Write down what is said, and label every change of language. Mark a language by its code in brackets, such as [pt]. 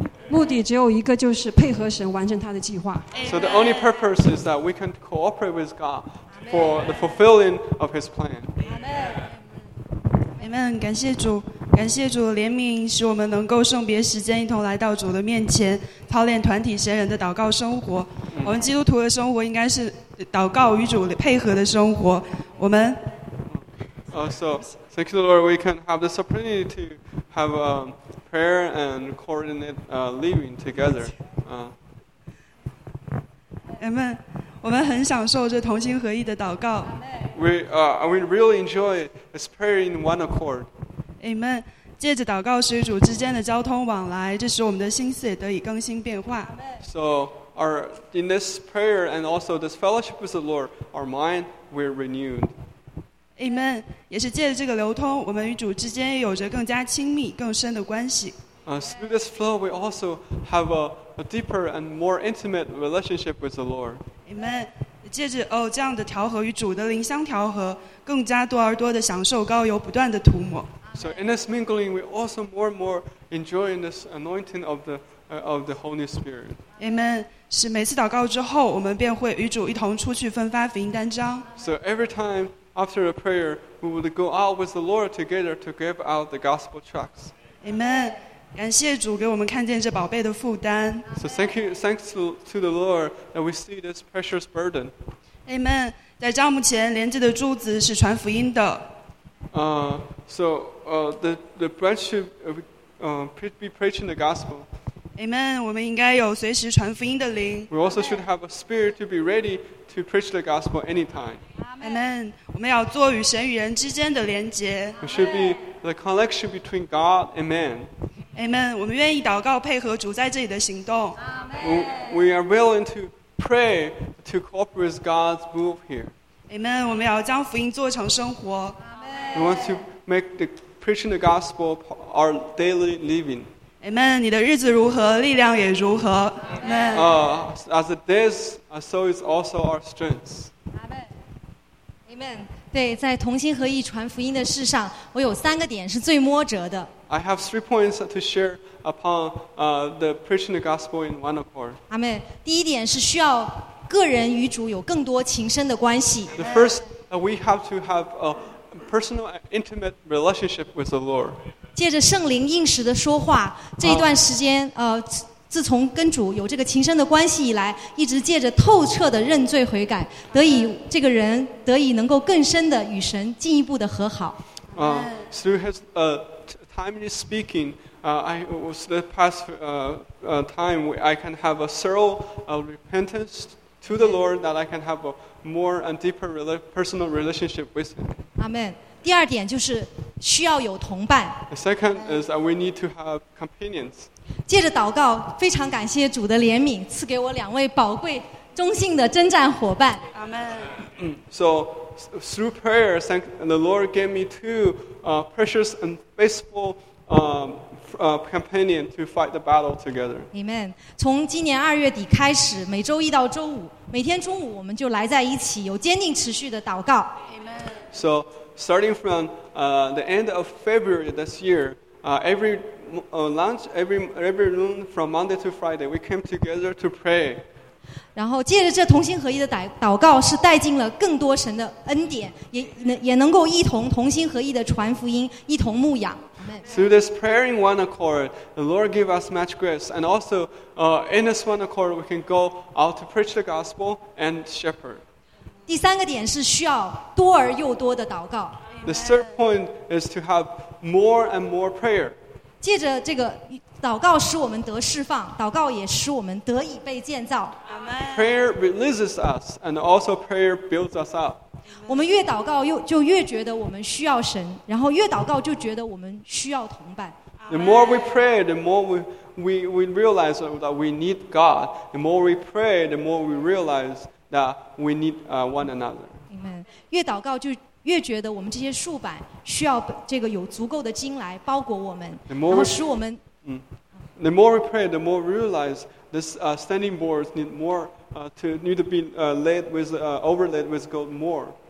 [zh] 目的只有一个，就是配合神完成他的计划 [en] So the only purpose is that we can cooperate with God for the fulfilling of His plan. Amen. Amen. [zh] 感谢主，感谢主怜悯，使我们能够圣别时间一同来到主的面前，操练团体神人的祷告生活。我们基督徒的生活应该是祷告与主配合的生活。我们。 [en] So thank you, Lord. We can have this opportunity to have a prayer and coordinate living together. Amen. [zh] 我们很享受这同心合意的祷告。 [en] We really enjoy this prayer in one accord. Amen. [zh] 借着祷告与主之间的交通往来，这使我们的心思也得以更新变化。 [en] So our in this prayer and also this fellowship with the Lord, our mind we're renewed. Amen. [zh] 也是借着这个流通，我们与主之间有着更加亲密、更深的关系。 [en] Through this flow, we also have a deeper and more intimate relationship with the Lord. Amen. [zh] 借着这样的调和与主的灵相调和，更加多而多的享受膏油不断的涂抹。 [en] So in this mingling, we also more and more enjoy this anointing of the Holy Spirit. Amen. [zh] 是每次祷告之后，我们便会与主一同出去分发福音单张。 [en] So every time. After a prayer, we would go out with the Lord together to give out the gospel tracts. Amen. [zh] 感谢主给我们看见这宝贝的负担。 [en] So thanks to the Lord that we see this precious burden. Amen. [zh] 在帐幕前连接的柱子是传福音的。 [en] So the branch should be preaching the gospel. Amen. [zh] 我们应该有随时传福音的灵。 [en] We also should have a spirit to be ready to preach the gospel anytime. Amen. [zh] 我们要做与神与人之间的连结。 [en] It should be the connection between God and man. Amen. [zh] 我们愿意祷告配合主在这里的行动。 [en] We are willing to pray to cooperate with God's move here. Amen. [zh] 我们要将福音做成生活。 [en] We want to make the preaching the gospel our daily living. Amen. [zh] 你的日子如何，力量也如何。 [en] Amen. As it is, so is also our strength. Amen. [zh] 对，在同心合意传福音的事上，我有三个点是最摸折的。 [en] I have three points to share upon the preaching the gospel in one accord. Amen. [zh] 第一点是需要个人与主有更多情深的关系。 [en] The first, we have to have a personal, intimate relationship with the Lord. [zh] 借着圣灵应时的说话，这一段时间自从跟主有这个情深的关系以来，一直借着透彻的认罪悔改，得以这个人得以能够更深的与神进一步的和好。 [en] Through his timely speaking, I was the past time I can have a thorough repentance to the Lord that I can have a more and deeper personal relationship with Him. Amen. [zh] 第二点就是需要有同伴。 [en] The second is that we need to have companions. [zh] 借着祷告，非常感谢主的怜悯，赐给我两位宝贵忠信的征战伙伴。 [en] Amen. So through prayer, the Lord gave me two precious and faithful companions to fight the battle together. Amen. [zh] 从今年二月底开始，每周一到周五，每天中午我们就来在一起，有坚定持续的祷告。 [en] Amen. So. Starting from the end of February this year, every noon from Monday to Friday, we came together to pray. [zh] 然后借着这同心合意的祷告，是带进了更多神的恩典，也能够一同同心合意的传福音，一同牧养。 [en] Through this prayer in one accord, the Lord gave us much grace, and also in this one accord, we can go out to preach the gospel and shepherd. [zh] 第三个点是需要多而又多的祷告。 [en] The third point is to have more and more prayer. [zh] 借着这个祷告使我们得释放，祷告也使我们得以被建造。 [en] Prayer releases us, and also prayer builds us up. [zh] 我们越祷告就越觉得我们需要神，然后越祷告就觉得我们需要同伴。 [en] The more we pray, the more we realize that we need God. The more we pray, the more we realize. That we need one another. Amen. [zh] 越祷告就越觉得我们这些束板需要这个有足够的筋来包裹我们，然后使我们。 [en] The more we pray, the more we realize this standing boards need to be overlaid with gold more.